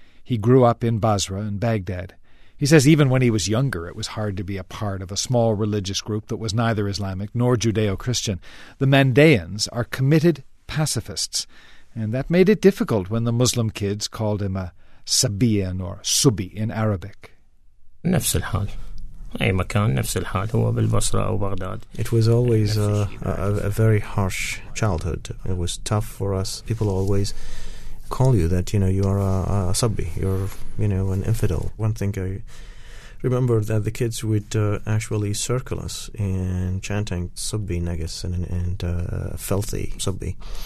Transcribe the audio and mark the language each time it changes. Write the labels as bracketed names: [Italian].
[English] He grew up in Basra in Baghdad. He says even when he was younger, it was hard to be a part of a small religious group that was neither Islamic nor Judeo-Christian. The Mandaeans are committed pacifists, and that made it difficult when the Muslim kids called him a Sabian or Subi in Arabic. [Arabic] نفس الحال. أي مكان نفس الحال هو بالبصرة أو بغداد. [English] It was always a very harsh childhood. It was tough for us. People always call you that, you know, you are a subbi, you're, you know, an infidel. One thing I remember that the kids would actually circle us and chanting subbi negus and filthy subbi.